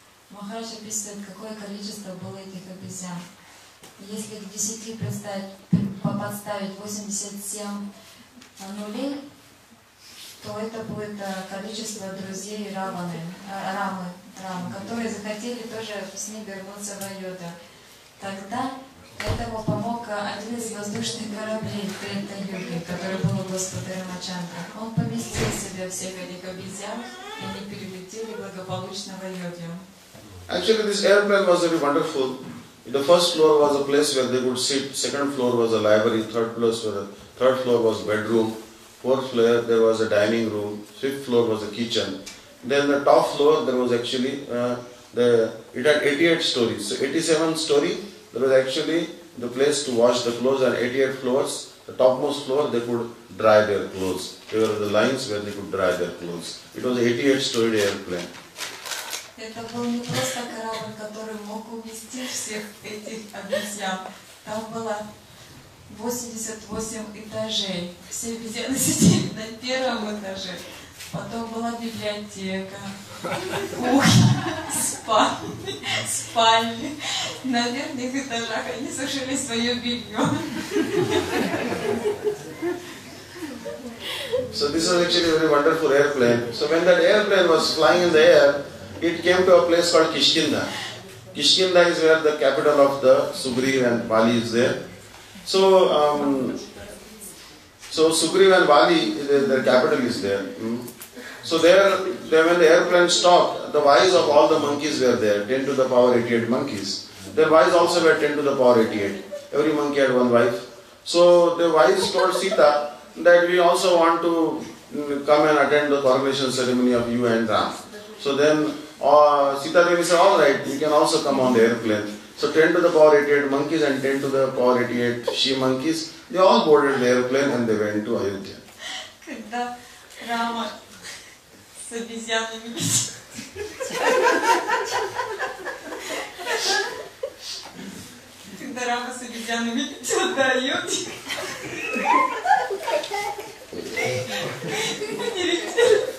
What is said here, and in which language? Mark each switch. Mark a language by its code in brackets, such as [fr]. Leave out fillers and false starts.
[ru] Махарадж описывает, какое количество было этих обезьян. Если к 10 подставить 87 нулей, то это будет количество друзей Раваны, Рамы, которые захотели тоже с ним вернуться в Айодхию. Тогда этому помог один из воздушных кораблей Трета-Юги, который был у Господа Рамачандра. Он поместил себя всех этих обезьян, и они перелетели благополучно в Айодхию. [en] Actually, this airplane was very wonderful. The first floor was a place where they could sit. Second floor was a library. Third floor was bedroom. Fourth floor there was a dining room. Fifth floor was a kitchen. Then the top floor there was actually it had 88 stories. So 87th story there was actually the place to wash the clothes. And 88 floors, the topmost floor they could dry their clothes. There were the lines where they could dry their clothes. It was an 88-storied airplane. [ru] Это был не просто корабль, который мог увезти всех этих обезьян. Там было 88 этажей. Все обезьяны сидели на первом этаже. Потом была библиотека, кухня, спальни. На верхних этажах они сушили свое белье. [en] So this was actually a very wonderful airplane. So when that airplane was flying in the air, it came to a place called Kishkindha. Kishkindha is where the capital of the Sugriv and Vali is there. So Sugriv and Vali, their capital is there. So there, when the airplane stopped, the wives of all the monkeys were there, 10 to the power 88 monkeys. Their wives also were 10 to the power 88. Every monkey had one wife. So the wives told Sita that we also want to come and attend the coronation ceremony of you and Ram. So then Sita Devi said, all right, you can also come on the airplane. So 10 to the power 88 monkeys and 10 to the power 88 she monkeys, they all boarded the airplane and they went to Ayodhya. [ru] Когда Рама с обезьянами летел до Айодхи, не летел.